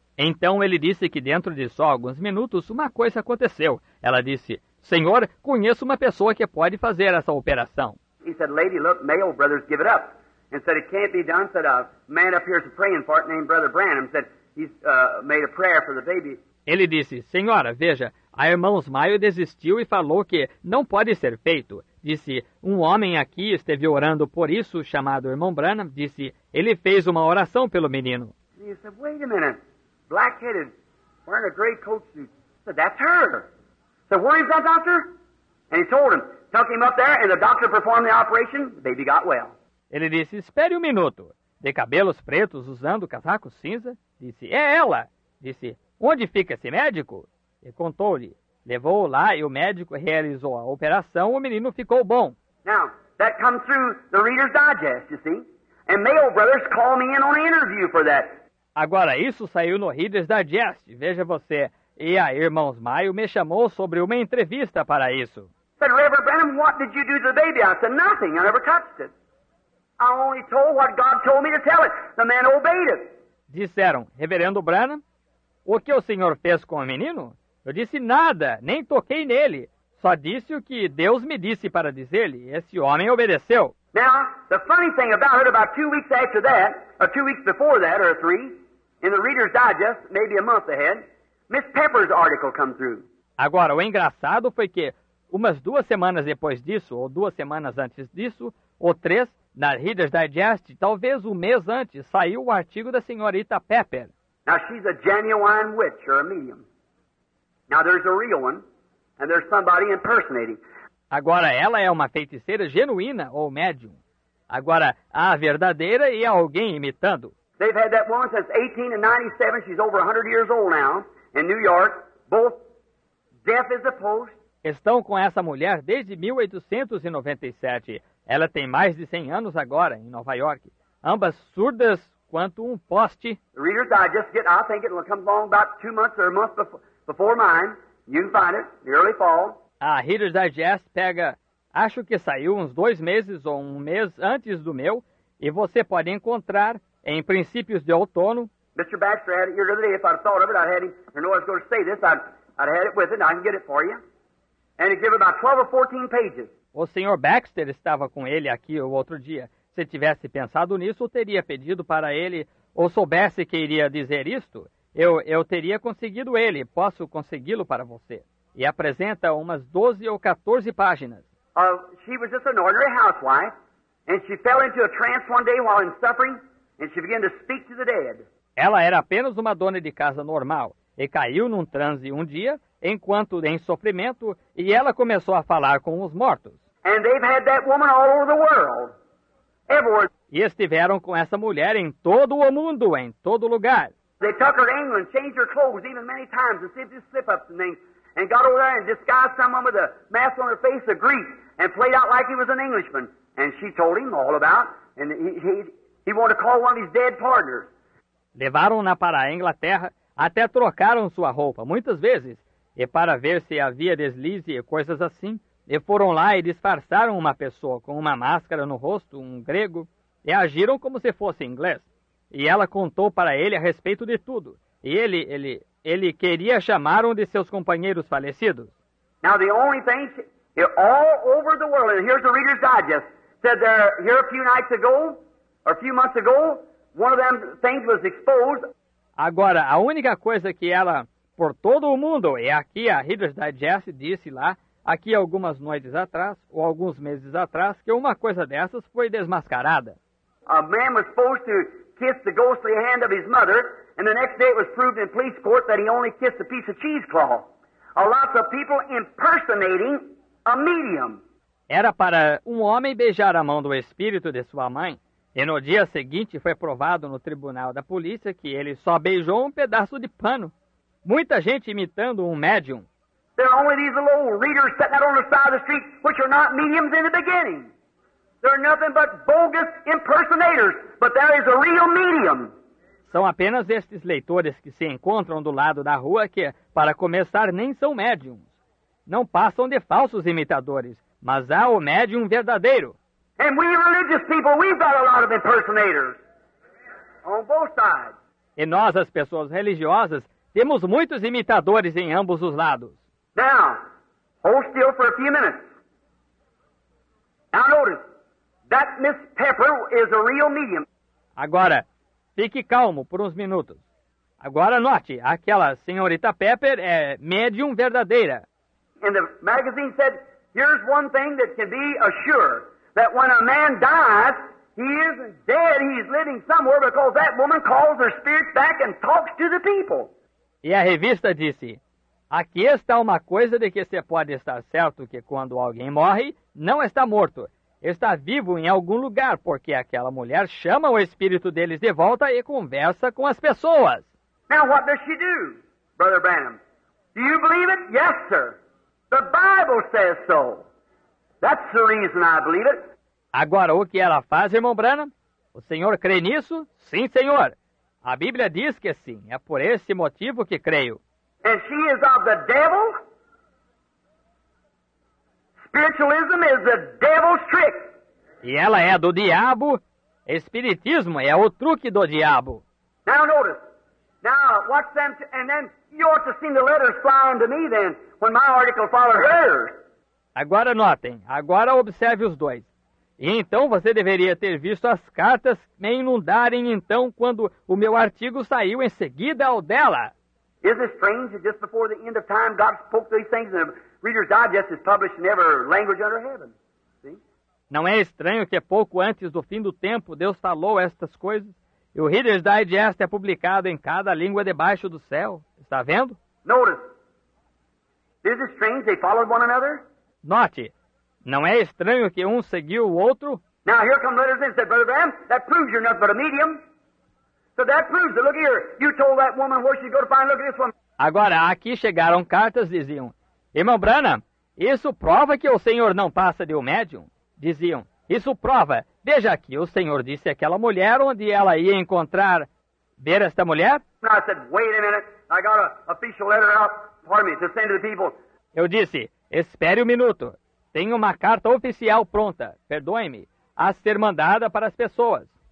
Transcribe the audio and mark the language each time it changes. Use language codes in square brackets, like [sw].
[pt] Então, ele disse que dentro de só alguns minutos, uma coisa aconteceu. Ela disse, senhor, conheço uma pessoa que pode fazer essa operação. [en] He said, lady, look, Mayo brothers give it up. And said, it can't be done. Said, a man up here is praying for it named Brother Branham. Said, he's made a prayer for the baby. [pt] Ele disse, senhora, veja, a irmã Osmaio desistiu e falou que não pode ser feito. Disse, um homem aqui esteve orando por isso, chamado irmão Branham. Disse, ele fez uma oração pelo menino. [en] He said, wait a minute. Black-headed, wearing a gray coat suit. Said, that's her. Said, where is that doctor? And he told him, took him up there, and the doctor performed the operation. The baby got well. [pt] Ele disse, espere minuto. De cabelos pretos, usando casaco cinza. Disse, é ela. Disse, onde fica esse médico? E contou-lhe. Levou-o lá e o médico realizou a operação. O menino ficou bom. [en] Now, that comes through the Reader's Digest, you see. And Mayo Brothers called me in on an interview for that. [pt] Agora, isso saiu no Reader's Digest, veja você. E a Irmãos Maio me chamou sobre uma entrevista para isso. [en] Said, Reverend Branham, what did you do to the baby? I said, nothing. I never touched it. I only told what God told me to tell it. The man obeyed it. [pt] Disseram, Reverendo Branham, o que o senhor fez com o menino? Eu disse nada, nem toquei nele. Só disse o que Deus me disse para dizer-lhe. Esse homem obedeceu. [en] Now, the funny thing about it, about 2 weeks after that, or 2 weeks before that, or 3, in the Reader's Digest, maybe a month ahead, Miss Pepper's article come through. [pt] Agora, o engraçado foi que, umas 2 semanas depois disso, ou 2 semanas antes disso, ou 3, na Reader's Digest, talvez 1 mês antes, saiu o artigo da senhorita Pepper. [en] Now, she's a genuine witch, or a medium. Now, there's a real one, and there's somebody impersonating. [pt] Agora, ela é uma feiticeira genuína, ou médium. Agora, há a verdadeira e há alguém imitando. [en] They've had that woman since 1897. She's over 100 years old now, in New York. Both deaf as a post. [pt] Estão com essa mulher desde 1897. Ela tem mais de 100 anos agora, em Nova York. Ambas surdas quanto poste. [en] The Reader's Digest, I think it will come along about 2 months or a month before mine. You can find it, the early fall. [pt] A Reader's Digest pega, acho que saiu uns 2 meses ou 1 mês antes do meu, e você pode encontrar em princípios de outono. [en] Mr. Baxter, had it here today. If I'd thought of it, I'd had it. I know I was going to say this. I'd had it with it. I can get it for you. And it gave about 12 or 14 pages. [pt] O Sr. Baxter estava com ele aqui o outro dia. Se tivesse pensado nisso, eu teria pedido para ele, ou soubesse que iria dizer isto, eu teria conseguido ele. Posso consegui-lo para você. E apresenta umas 12 ou 14 páginas. [en] She was just an ordinary housewife, and she fell into a trance one day while in suffering, and she began to speak to the dead. [pt] Ela era apenas uma dona de casa normal, e caiu num transe um dia, enquanto em sofrimento, e ela começou a falar com os mortos. [en] And they've had that woman all over the world. Everywhere. [pt] E estiveram com essa mulher em todo o mundo, em todo lugar. [en] They took her to England, changed her clothes even many times, and see if there's slip-ups and things. And got over there and disguised someone with a mask on her face, a Greek, and played out like he was an Englishman. And she told him all about, and he wanted to call one of his dead partners. [pt] Levaram-na para a Inglaterra, Até trocaram sua roupa, muitas vezes. E para ver se havia deslize e coisas assim, e foram lá e disfarçaram uma pessoa com uma máscara no rosto, um grego, e agiram como se fosse inglês. E ela contou para ele a respeito de tudo. E ele queria chamar um de seus companheiros falecidos. [en] Now the only thing, all over the world, and here's the Reader's Digest, said there, here a few nights ago, or a few months ago, one of them things was exposed. [pt] Agora, a única coisa que ela, por todo o mundo, e aqui a Reader's Digest disse lá, aqui algumas noites atrás, ou alguns meses atrás, que uma coisa dessas foi desmascarada. [en] A man was supposed to kiss the ghostly hand of his mother, and the next day it was proved in police court that he only kissed a piece of cheesecloth. A lot of people impersonating a medium. [pt] Era para um homem beijar a mão do espírito de sua mãe, e no dia seguinte foi provado no tribunal da polícia que ele só beijou um pedaço de pano. Muita gente imitando um médium. [en] There are only these little old readers sitting out on the side of the street, which are not mediums in the beginning. They're nothing but bogus impersonators, but there is a real medium. [pt] São apenas estes leitores que se encontram do lado da rua que, para começar, nem são médiums. Não passam de falsos imitadores, mas há o médium verdadeiro. [en] And we religious people, we've got a lot of impersonators on both sides. [pt] E nós, as pessoas religiosas, temos muitos imitadores em ambos os lados. [en] Now, hold still for a few minutes. Now notice, that Miss Pepper is a real medium. [pt] Agora, fique calmo por uns minutos. Agora note, aquela senhorita Pepper é médium verdadeira. [en] And the magazine said, here's one thing that can be assured, that when a man dies, he isn't dead, he's living somewhere, because that woman calls her spirit back and talks to the people. [pt] E a revista disse, aqui está uma coisa de que você pode estar certo, que quando alguém morre, não está morto. Está vivo em algum lugar, porque aquela mulher chama o espírito deles de volta e conversa com as pessoas. [en] Now, what does she do, Brother Branham? Do you believe it? Yes, sir. The Bible says so. That's the reason I believe it. [pt] Agora, o que ela faz, irmão Branham? O senhor crê nisso? Sim, senhor. A Bíblia diz que sim. É por esse motivo que creio. [en] And she is of the devil? Spiritualism is the devil's trick. [pt] E ela é do diabo. Espiritismo é o truque do diabo. [en] Now notice. Now watch them. And then you ought to see the letters flying to me then when my article followed hers. [pt] Agora notem. Agora observe os dois. E então você deveria ter visto as cartas me inundarem então quando o meu artigo saiu em seguida ao dela. [en] Isn't it strange that just before the end of time God spoke these things in a Reader's Digest is published in every language under heaven. See? [pt] Não é estranho que pouco antes do fim do tempo Deus falou estas coisas e o Reader's Digest é publicado em cada língua debaixo do céu. Está vendo? [en] Notice. Isn't it strange they followed one another? [pt] Note. Não é estranho que um seguiu o outro? [en] Now here come letters and said, Brother Bram, that proves you're nothing but a medium. So that proves it. Look here. You told that woman where she'd go to find. Look at this one. [pt] Agora, aqui chegaram cartas, diziam. Irmão Branham, isso prova que o senhor não passa de um médium? Diziam, isso prova. Veja aqui, o senhor disse àquela mulher onde ela ia encontrar, ver esta mulher? [en] I said, wait a minute, I got an official letter out, pardon me, to send to the people. [pt] Eu disse, espere um minuto, tenho uma carta oficial pronta, perdoe-me, a ser mandada para as pessoas.